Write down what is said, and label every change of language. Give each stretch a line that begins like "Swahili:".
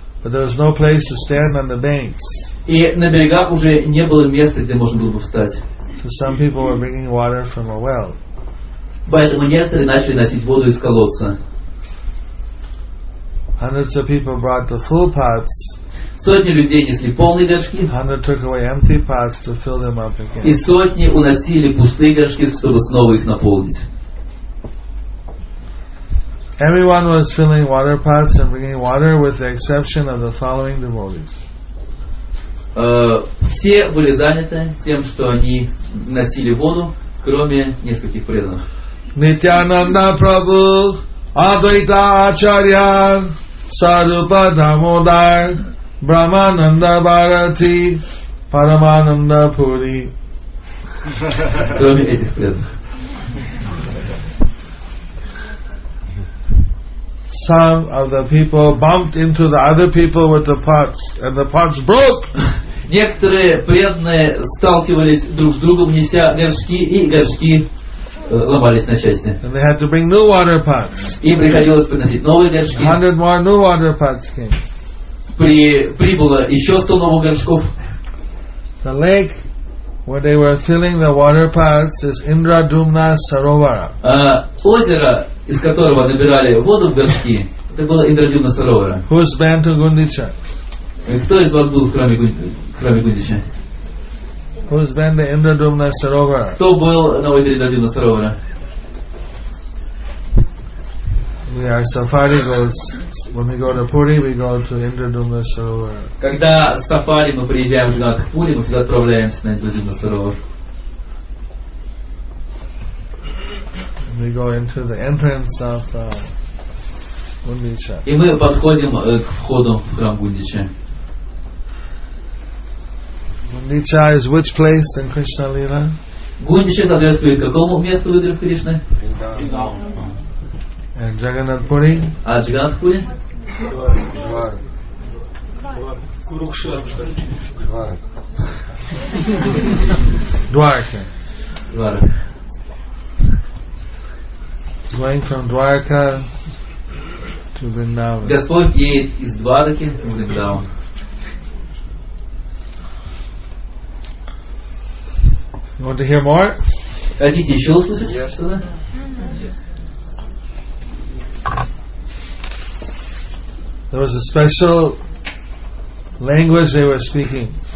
English: But there was no place to stand on the banks.
Russian: И на берегах уже не было места, где можно было бы встать.
English: So some people were bringing water from a well.
Russian: Поэтому некоторые начали носить воду из колодца.
English: Hundreds of people brought the full pots.
Russian: Сотни людей несли полные горшки.
English: Hundreds took away empty pots to fill them up again.
Russian: И сотни уносили пустые горшки, чтобы снова их наполнить.
English: Everyone was filling water pots and bringing water, with the exception of the following devotees.
Russian: Все были заняты тем, что они носили воду, кроме нескольких преданных. Нитьянанда Прабху. Адвайта Ачарья Сарупа Дамодар Брахмананда Бхарати Парамананда Пури. Кроме этих преданных.
English: Some of the people bumped into the other people with the pots, and the pots broke.
Russian: Некоторые преданные сталкивались друг с другом, неся горшки, и горшки ломались на части.
English: And they had to bring new water pots.
Russian: Им приходилось приносить новые горшки.
English: 100 more new water pots came.
Russian: Прибыло еще 100 новых горшков.
English: The lake where they were filling the water pots is Indradumna Sarovara.
Russian: Озеро, из которого набирали воду в горшки, это было Индрадюмна Саровара.
English: Who's been to Гундича?
Russian: Кто из вас был, кроме Гундича?
English: Who's been to Indradumna Sarovara?
Russian: Кто был на озере Индрадюмна Саровара?
English: We are safari goats. When we go to Puri, we go to Indradumna Sarovara.
Russian: Когда сафари мы приезжаем в Пури, мы всегда отправляемся на Индрадюмна Саровара.
English: We go into the entrance of Гундича.
Russian: И мы подходим к входу в храм Гундича.
English: Гундича is which place in Krishna Lila?
Russian: Гундича соответствует какому месту в играх Кришны?
English: Вриндаван. And Jagannath Puri?
Russian: А Jagannath Puri? Дварака. Дварака.
English: Going from Dwarka to Vrindavan.
Russian: Господь едет из Двараки в Вриндаван.
English: Want to hear more?
Russian: Хотите еще услышать что-то?
English: Yes. There was a special language they were speaking.